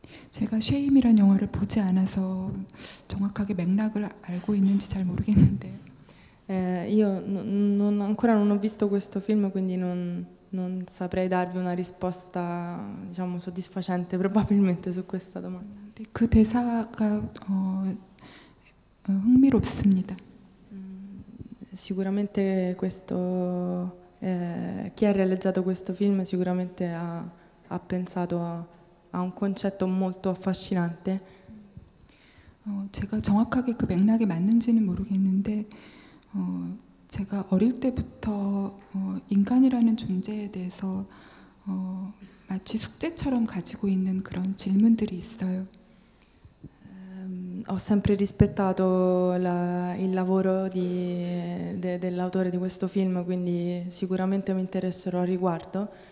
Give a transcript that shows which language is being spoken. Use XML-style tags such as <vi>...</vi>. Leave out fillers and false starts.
<ko>제가 쉐임이라는 영화를 보지 않아서 정확하게 맥락을 알고 있는지 잘 모르겠는데.</ko> <it>Io non ho visto questo film, quindi non saprei darvi una risposta, diciamo, soddisfacente probabilmente su questa domanda.</it> <ko>그 대사가 흥미롭습니다.</ko> <it>Sicuramente questo chi ha realizzato questo film sicuramente ha pensato a un concetto molto affascinante.</it> <ko>제가 정확하게 그 맥락에 맞는지는 모르겠는데 제가 어릴 때부터 인간이라는 존재에 대해서 마치 숙제처럼 가지고 있는 그런 질문들이 있어요.</ko> <it>Ho sempre rispettato il lavoro dell'autore di questo film, quindi sicuramente mi interesserò al riguardo.</it>